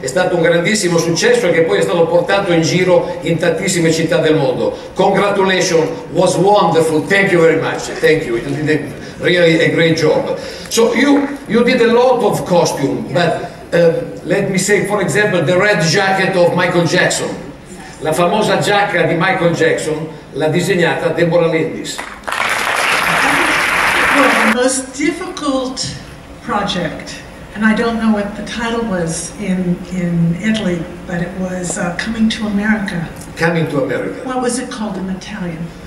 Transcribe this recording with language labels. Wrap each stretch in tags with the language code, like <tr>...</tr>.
<it>È stato un grandissimo successo che poi è stato portato in giro in tantissime città del mondo.</it> <en>Congratulations, was wonderful, thank you very much, thank you, you did really a great job. So you did a lot of costume, but let me say, for example, the red jacket of Michael Jackson.</en> <it>La famosa giacca di Michael Jackson l'ha disegnata Deborah Lindis.</it> <en>The most difficult project, and I don't know what the title was in Italy, but it was Coming to America. Coming to America. What was it called in Italian?</en>